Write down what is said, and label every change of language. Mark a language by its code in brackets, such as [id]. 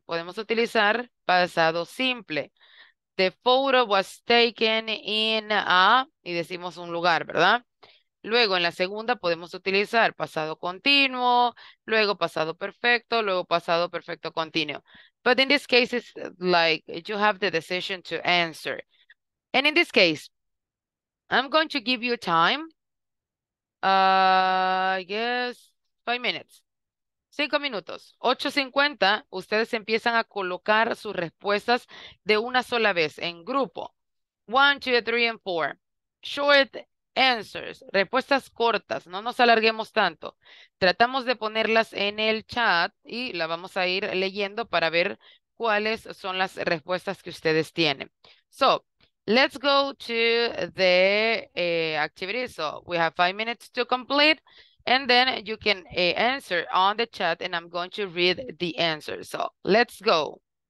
[es] Podemos utilizar pasado simple. [en] The photo was taken in a, [es] y decimos un lugar, ¿verdad? Luego, en la segunda, podemos utilizar pasado continuo, luego pasado perfecto continuo. [en] But in this case, it's like you have the decision to answer. And in this case, I'm going to give you time. I guess 5 minutes. [es] 5 minutos. 8:50, ustedes empiezan a colocar sus respuestas de una sola vez, en grupo. [en] 1, 2, 3, and 4. Short answers, [es] respuestas cortas, no nos alarguemos tanto. Tratamos de ponerlas en el chat y la vamos a ir leyendo para ver cuáles son las respuestas que ustedes tienen. [en] So, let's go to the activity. So, we have 5 minutes to complete and then you can answer on the chat and I'm going to read the answer. So, let's go.